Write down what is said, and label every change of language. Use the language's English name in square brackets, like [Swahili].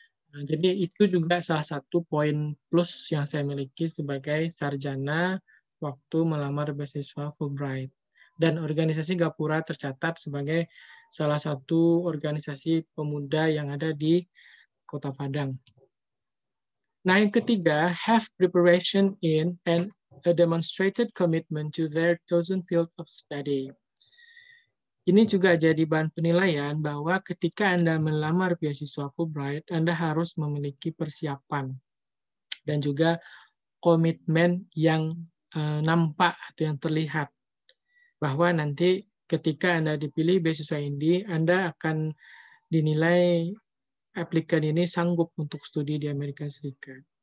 [Indonesian] Nah, jadi itu juga salah satu poin plus yang saya miliki sebagai sarjana waktu melamar beasiswa Fulbright. Dan organisasi Gapura tercatat sebagai salah satu organisasi pemuda yang ada di Kota Padang. Nah, yang ketiga, [English] have preparation in and a demonstrated commitment to their chosen field of study. [Indonesian] Ini juga jadi bahan penilaian bahwa ketika Anda melamar beasiswa Fulbright, Anda harus memiliki persiapan dan juga komitmen yang nampak atau yang terlihat bahwa nanti ketika Anda dipilih beasiswa ini, Anda akan dinilai aplikan ini sanggup untuk studi di Amerika Serikat.